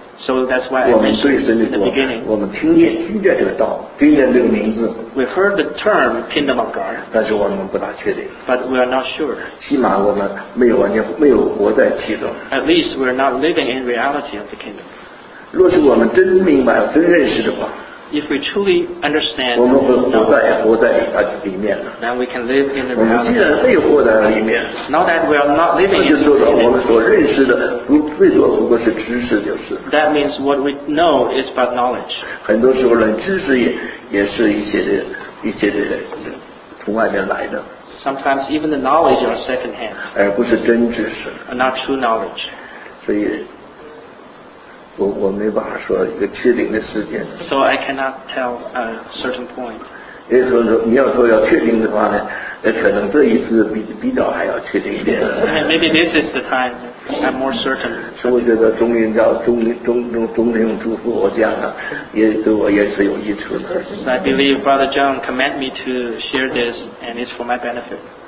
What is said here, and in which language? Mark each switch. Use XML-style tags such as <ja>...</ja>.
<en>So that's why I mentioned in the beginning.</en> <zh>我们听见这个道，听见这个名字。</zh> <en>We heard the term Kingdom of God.</en> <zh>但是我们不大确定。</zh> <en>But we are not sure.</en> <zh>起码我们没有活在其中。</zh> <en>At least we are not living in reality of the kingdom.</en> <zh>若是我们真明白、真认识的话，</zh> <en>If we truly understand,</en> <zh>我们会活在它里面了。</zh> <en>Then we can live in the reality.</en> <zh>我们既然没有活在里面，</zh> <en>Now that we are not living in the kingdom.</en> <zh>那就说到我们所认识的最多不过是知识，就是。</zh> <en>That means what we know is but knowledge.</en> <zh>很多时候呢，知识也是一些的从外面来的。</zh> <en>Sometimes even the knowledge are second hand.</en> <zh>而不是真知识。</zh> <en>Not true knowledge.</en> <zh>所以，我没办法说一个确定的时间。</zh> <en>So I cannot tell a certain point.</en> <zh>也就是说，你要说要确定的话呢，可能这一次比较还要确定一点。</zh> <en>Maybe this is the time. I'm more certain.</en> <zh>所以我觉得中英教中英祝福我家呢，也对我也是有益处的。</zh> <en>So I believe Brother John commanded me to share this, and it's for my benefit.</en>